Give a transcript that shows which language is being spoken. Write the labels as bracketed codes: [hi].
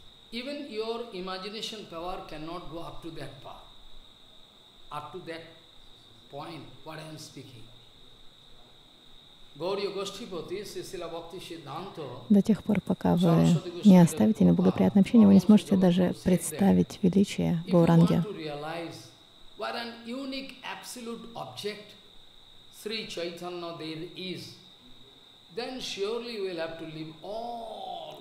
[en] Even your imagination power cannot go up to that path, up to that point, what I am speaking. Gauriya Goshtipati, Sisila Bhakti Siddhanta. [ru] До тех пор, пока вы не оставите неблагоприятное общение, вы не сможете даже представить величие Гауранги. [en] If you want to realize what an unique absolute object Sri Chaitanya Dev is, then surely you will have to leave all.